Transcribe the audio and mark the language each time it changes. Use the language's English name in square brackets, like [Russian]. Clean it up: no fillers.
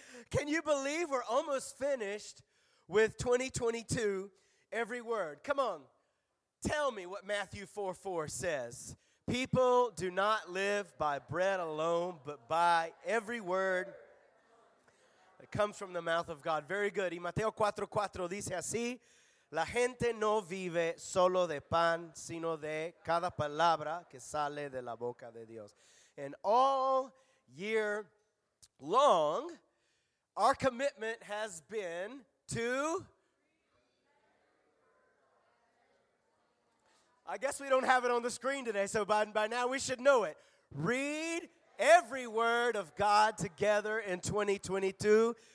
[English] Can you believe we're almost finished with 2022, every word? Come on, tell me what Matthew 4:4 says. People do not live by bread alone, but by every word that comes from the mouth of God. Very good. [Spanish] Y Mateo 4:4 dice así, la gente no vive solo de pan, sino de cada palabra que sale de la boca de Dios. [English] And all year long, our commitment has been to, I guess we don't have it on the screen today, so by now we should know it. Read every word of God together in 2022.